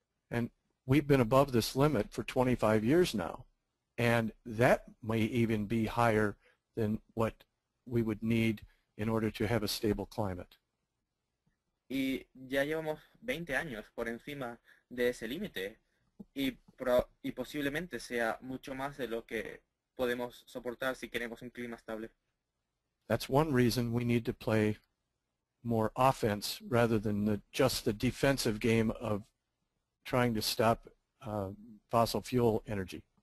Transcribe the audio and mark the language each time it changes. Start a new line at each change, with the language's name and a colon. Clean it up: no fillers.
English: And we've been above this limit for 25 years now, and that may even be higher than what we would need in order to have a stable climate.
Spanish: Y ya llevamos 20 años por encima de ese límite, y posiblemente sea mucho más de lo que podemos soportar si queremos un clima estable.
English: That's one reason we need to play more offense rather than just the defensive game of trying to stop fossil fuel energy.